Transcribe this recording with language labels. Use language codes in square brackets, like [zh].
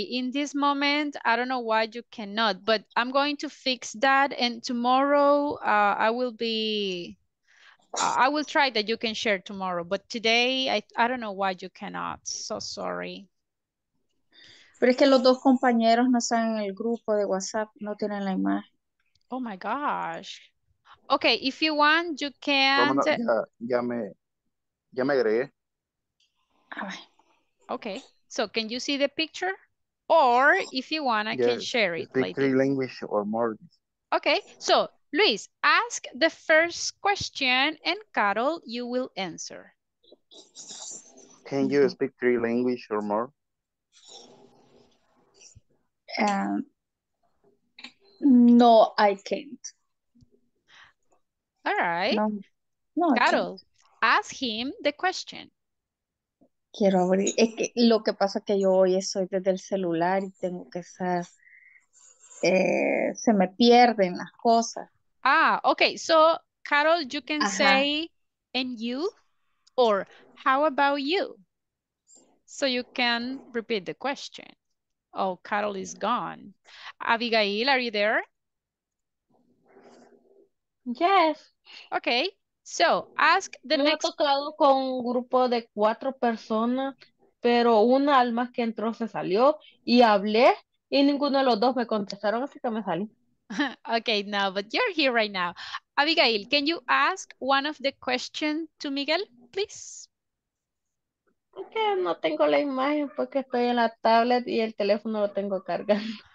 [en] In this moment, I don't know why you cannot, but I'm going to fix that. And tomorrow, I will try that you can share tomorrow. But today, I don't know why you cannot. So sorry. [es] Pero es que los dos compañeros no están en el grupo de WhatsApp, no tienen la imagen. [en] Oh my gosh. Okay, if you want, you can. [es] Ya me agregué. [en] Okay, so can you see the picture? Or if you want, I can share it. Speak three languages or more. Okay, so Luis, ask the first question and Carol, you will answer. Can you speak three languages or more? No, I can't. All right. No, Carol, ask him the question. [es] Quiero abrir. Es que lo que pasa es que yo hoy estoy desde el celular y tengo que estar. Se me pierden las cosas. [en] Ah, okay. So, Carol, you can say, and you, or how about you? So you can repeat the question. Oh, Carol is gone. Abigail, are you there? Yes. Okay. So, ask the me next... [es] Me ha tocado con un grupo de cuatro personas, pero una alma que entró se salió y hablé y ninguno de los dos me contestaron, así que me salí. [en] Okay, now, but you're here right now. Abigail, can you ask one of the questions to Miguel, please? [es] Okay, no tengo la imagen porque estoy en la tablet y el teléfono lo tengo cargando.